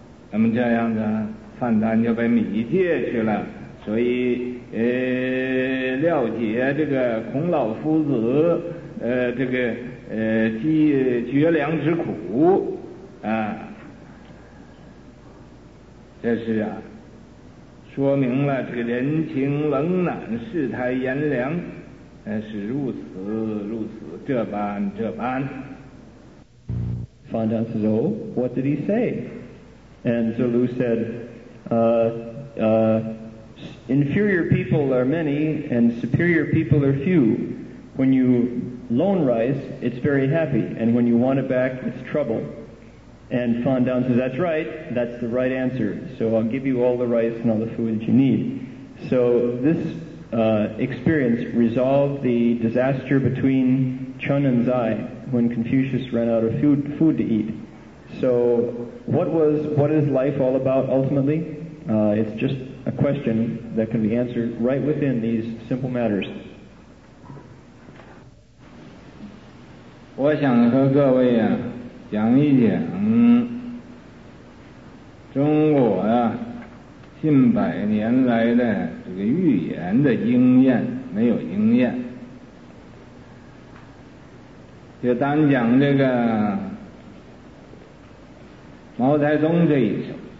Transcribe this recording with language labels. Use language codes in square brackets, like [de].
[zh] 那么这样子樊丹就被米借去了，所以了解这个孔老夫子这个绝粮之苦啊，这是啊，说明了这个人情冷暖，世态炎凉，是如此如此，这般这般。 [en] Fandan says, oh, what did he say? And Zulu said, inferior people are many, and superior people are few. When you loan rice, it's very happy, and when you want it back, it's trouble. And Fandan says, that's right, that's the right answer. So I'll give you all the rice and all the food that you need. So this experience resolved the disaster between Chun and Zai when Confucius ran out of food to eat. So what is life all about ultimately? It's just a question that can be answered right within these simple matters. [zh] 我想和各位啊讲一讲中国啊近百年来的这个预言的经验，没有经验，就单讲这个毛泽东这一首。